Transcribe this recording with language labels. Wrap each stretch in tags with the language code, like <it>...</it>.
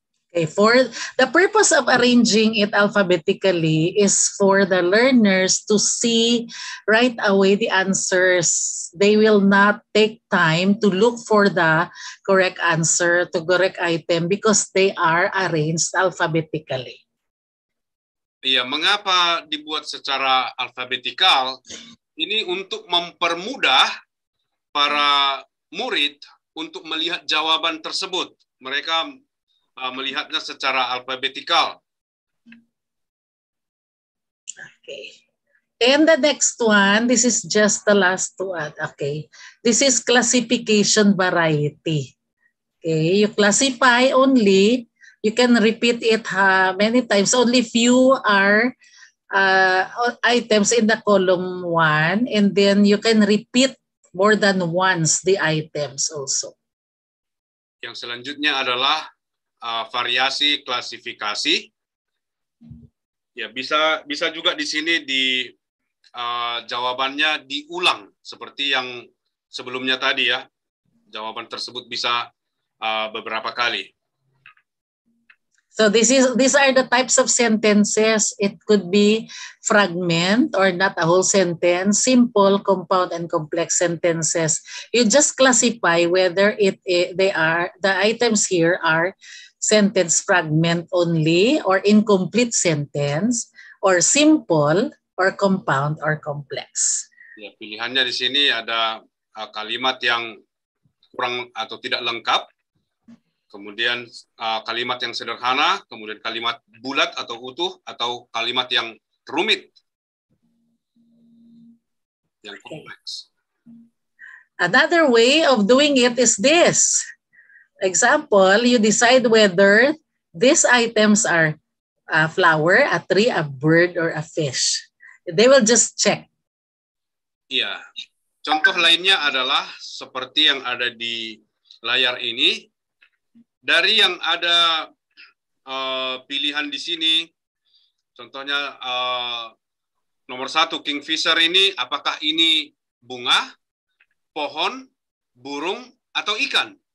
<en>Okay, for the purpose of arranging it alphabetically is for the learners to see right away the answers. They will not take time to look for the correct answer, the correct item, because they are arranged alphabetically.</en> <id>Iya, mengapa dibuat secara alphabetical? Ini untuk mempermudah para murid untuk melihat jawaban tersebut. Mereka melihatnya secara alphabetical.</id> <en>Okay. And the next one, this is just the last one. Okay. This is classification variety. Okay, you classify only, you can repeat it many times, only few are items in the column one, and then you can repeat more than once the items also.</en> <id>Yang selanjutnya adalah variasi klasifikasi. Ya, bisa juga di sini di jawabannya diulang seperti yang sebelumnya tadi ya. Jawaban tersebut bisa beberapa kali.</id> <en>So these are the types of sentences. It could be fragment or not a whole sentence, simple, compound, and complex sentences. You just classify whether the items here are sentence fragment only or incomplete sentence or simple or compound or complex.</en> <id>Ya, pilihannya di sini ada kalimat yang kurang atau tidak lengkap. Kemudian kalimat yang sederhana, kemudian kalimat bulat atau utuh, atau kalimat yang rumit, yang kompleks.</id> <en>Another way of doing it is this. Example, you decide whether these items are a flower, a tree, a bird, or a fish. They will just check.</en> <id>Iya. Contoh lainnya adalah seperti yang ada di layar ini. Dari yang ada pilihan di sini, contohnya nomor satu, kingfisher ini, apakah ini bunga, pohon, burung, atau ikan?</id>